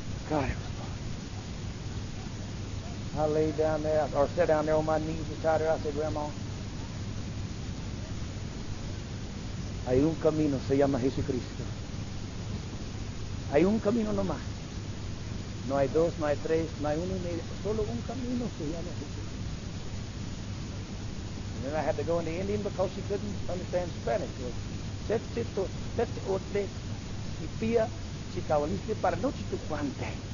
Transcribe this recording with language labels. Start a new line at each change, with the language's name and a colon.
English: God, it was fun. I laid down there, or sat down there on my knees beside her. I said, Grandma,
Spanish: hay un camino, se llama Jesucristo. Hay un camino nomás. No hay dos, no hay tres, no hay uno, solo un camino se llama Jesucristo.
English: And then I had to go into Indian because she couldn't understand Spanish. Sete otle, si pia, si cabaliste para noche tu cuante.